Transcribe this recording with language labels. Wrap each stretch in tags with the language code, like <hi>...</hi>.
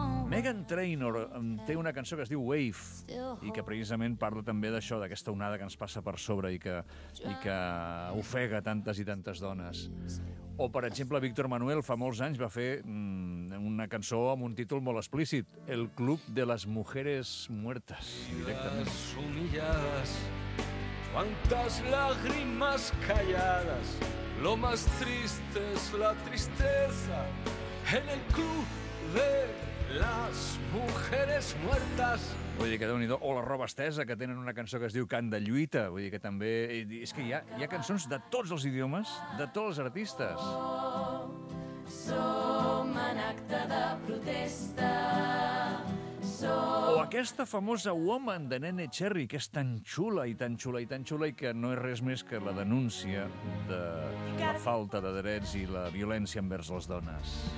<ca>Meghan Trainor té una cançó que es diu Wave, i que precisament parla també d'això, d'aquesta onada que ens passa per sobre i que ofega tantes i tantes dones. O, per exemple, Víctor Manuel fa molts anys va fer una cançó amb un títol molt explícit, El Club de las Mujeres Muertas, directament. Les humillades, quantes</ca> <es>lágrimas calladas, lo más triste es la tristeza, en el club de las mujeres muertas.</es> <ca>Vull dir que Déu-n'hi-do, o La Roba Estesa, que tenen una cançó que es diu Cant de Lluita. Vull dir que també... És que hi ha cançons de tots els idiomes, de tots els artistes. Som en acte de protesta. O aquesta famosa Woman de Nene Cherry, que és tan xula i tan xula i tan xula i que no és res més que la denúncia de la falta de drets i la violència envers les dones.</ca>